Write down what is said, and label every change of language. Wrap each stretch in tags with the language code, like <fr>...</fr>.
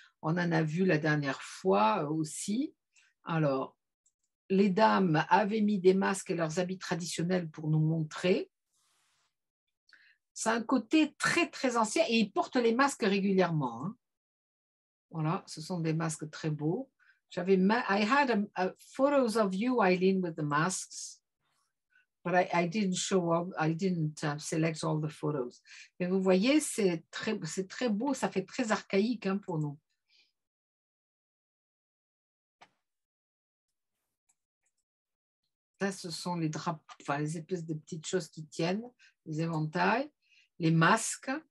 <fr>On en a vu la dernière fois aussi. Alors les dames avaient mis des masques et leurs habits traditionnels pour nous montrer. C'est un côté très très ancien, et ils portent les masques régulièrement, hein. Voilà, ce sont des masques très beaux. J'avais</fr> <en>I had a photos of you, Eileen, with the masks, but I didn't select all the photos.</en> <fr>Mais vous voyez, c'est très beau, ça fait très archaïque, hein, pour nous. Ça, ce sont les drapeaux, enfin, les espèces de petites choses qui tiennent, les éventails, les masques.</fr>